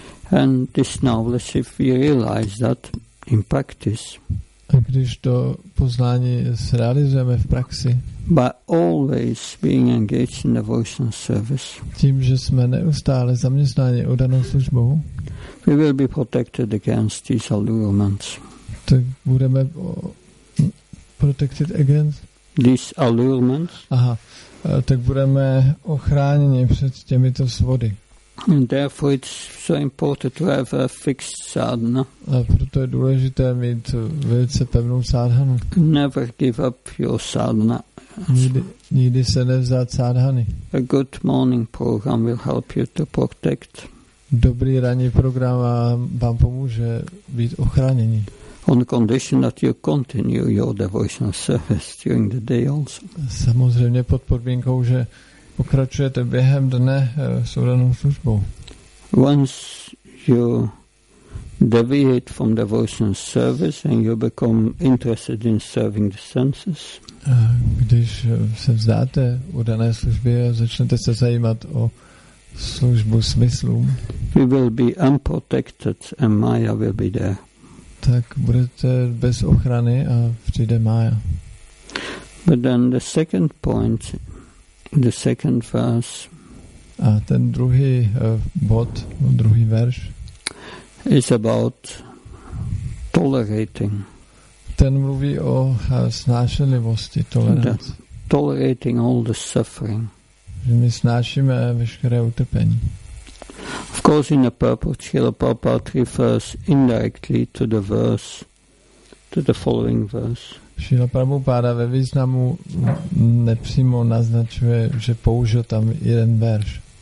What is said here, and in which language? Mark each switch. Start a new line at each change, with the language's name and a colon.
English: And this knowledge, if we realize that in practice,
Czech: a když to poznání zrealizujeme v praxi,
English: by always being engaged in devotional service,
Czech: tím, že jsme neustále zaměstnáni u danou službou,
English: we will be protected against these allurements.
Czech: Tak budeme
English: protected against these allurements.
Czech: Aha, tak budeme ochráněni před těmito svody.
English: And therefore it's so important to have a fixed sadhana.
Czech: A proto je důležité mít velice pevnou sadhanu.
English: Never give up your sadhana.
Czech: Nikdy se nevzdát sadhany.
English: A good morning program will help you to protect.
Czech: Dobrý ranní program vám pomůže být ochráněni.
English: On the condition that you continue your devotional service during the day also.
Czech: Samozřejmě pod podmínkou, že pokračujete během dne souranou službou.
English: Once you deviate from devotional service and you become interested in serving the senses,
Czech: když se vzdáte udané služby a začnete se zajímat o službu smyslům,
English: we will be unprotected and Maya will be there.
Czech: Tak budete bez ochrany a přijde Maya.
English: But then the second point, the second verse,
Czech: a ten druhý bod, druhý verš,
English: is about tolerating.
Czech: Ten mluví o snášenlivosti, tolerance.
English: Tolerating all the suffering.
Czech: Že my snášíme veškeré utrpení.
English: Of course, in the purport, Srila Prabhupada refers indirectly to the verse, to the following verse.
Czech: Srila Prabhupada ve významu nepřímo naznačuje, že použil tam jeden verš.